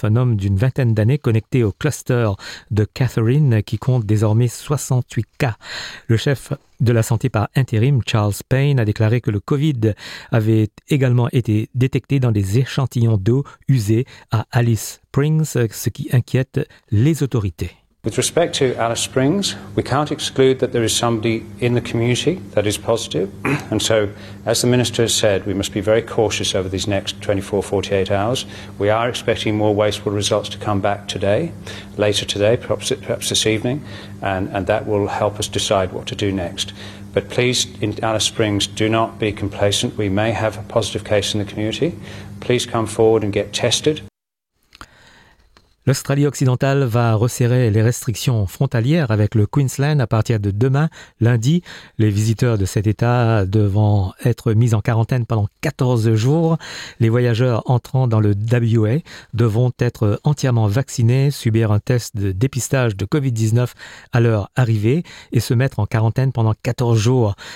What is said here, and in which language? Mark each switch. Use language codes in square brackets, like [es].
[fr] Un homme d'une vingtaine d'années connecté au cluster de Catherine qui compte désormais 68 cas. Le chef de la santé par intérim, Charles Payne, a déclaré que le Covid avait également été détecté dans des échantillons d'eau usée à Alice Springs, ce qui inquiète les autorités. [en] With respect to Alice Springs, we can't exclude that there is somebody in the community that is positive. And so, as the minister has said, we must be very cautious over these next 24-48 hours. We are expecting more wasteful results to come back today, later today, perhaps this evening, and that will help us decide what to do next. But please, in Alice Springs, do not be complacent. We may have a positive case in the community. Please come forward and get tested. [fr] L'Australie occidentale va resserrer les restrictions frontalières avec le Queensland à partir de demain, lundi. Les visiteurs de cet État devront être mis en quarantaine pendant 14 jours. Les voyageurs entrant dans le WA devront être entièrement vaccinés, subir un test de dépistage de COVID-19 à leur arrivée et se mettre en quarantaine pendant 14 jours.